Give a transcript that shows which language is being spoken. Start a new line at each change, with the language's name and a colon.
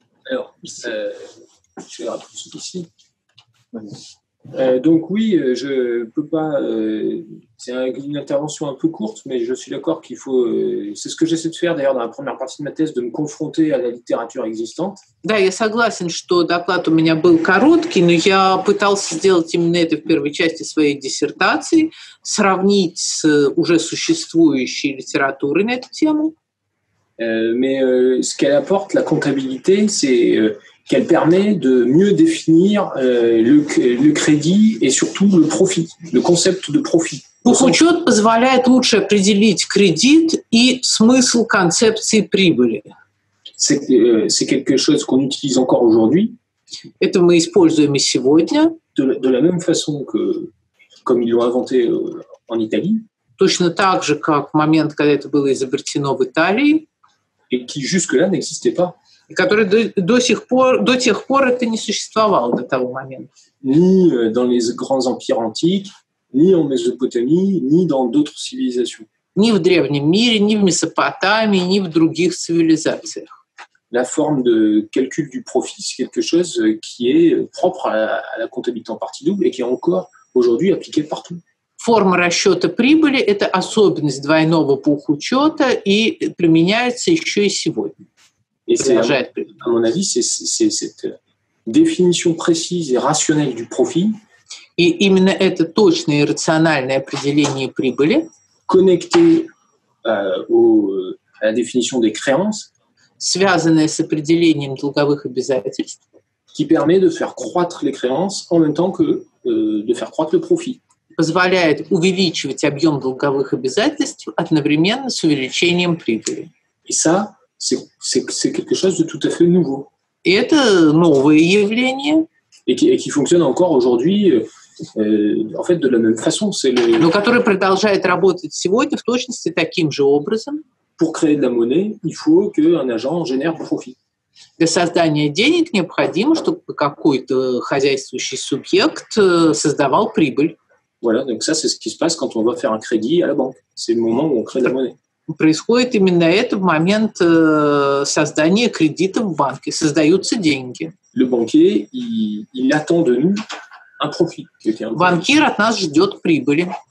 French: Alors, je vais rappeler ici. Donc oui, je peux pas. C'est une intervention un peu courte, mais je suis d'accord qu'il faut. C'est ce que j'essaie de faire d'ailleurs dans la première partie de ma thèse, de me confronter à la littérature existante.
Russian: Да, я согласен, что доклад у меня был короткий, но я пытался сделать именно это в первой части своей диссертации, сравнить с уже существующей литературой на эту тему.
French: Mais ce qu'elle apporte, la comptabilité, c'est qu'elle permet de mieux définir le crédit et surtout le profit, le concept de profit.
Russian: Учет позволяет лучше определить кредит и смысл концепции прибыли.
French: C'est quelque chose qu'on utilise encore aujourd'hui.
Russian: Это мы используем и сегодня.
French: De la même façon que comme ils l'ont inventé en Italie.
Russian: Точно так же, как в момент, когда это было изобретено в Италии.
French: Et qui jusque-là n'existait pas.
Russian: И который до тех пор это не существовало до того момента. Ни
French: dans les grands empires antiques, ни en Mésопотамии, ни dans d'autres civilisations.
Russian: Ни в древнем мире, ни в Месопотамии, ни в других цивилизациях.
French: La forme de calcul du profit, c'est quelque chose qui est propre à la comptabilité en partie double et qui est encore aujourd'hui appliquée partout.
Russian: Форма расчета прибыли – это особенность двойного бухучета и применяется еще и сегодня.
French: Et c'est, à mon avis, c'est cette définition précise et rationnelle du profit.
Russian: И именно это точное и рациональное определение прибыли.
French: Connecté à la définition des créances.
Russian: Связанное с определением долговых обязательств.
French: Qui permet de faire croître les créances en même temps que de faire croître le profit.
Russian: Позволяет увеличивать объем долговых обязательств одновременно с увеличением прибыли. И
French: ça, c'est quelque chose de tout à fait nouveau.
Russian: И это новое явление.
French: Et qui fonctionne encore aujourd'hui, en fait, de la même façon. C'est le...
Russian: Но которое продолжает работать сегодня в точности таким же образом.
French: Pour créer de la monnaie, il faut qu'un agent génère profit.
Russian: Для создания денег необходимо, чтобы какой-то хозяйствующий субъект создавал прибыль.
French: Voilà, donc ça, c'est ce qui se passe quand on va faire un crédit à la banque. C'est le moment où on crée de la monnaie.
Russian: Происходит именно это в момент создания кредита в банке. Создаются деньги.
French: Le banquier, il attend de nous un profit.
Russian: Банкир от нас ждет прибыли.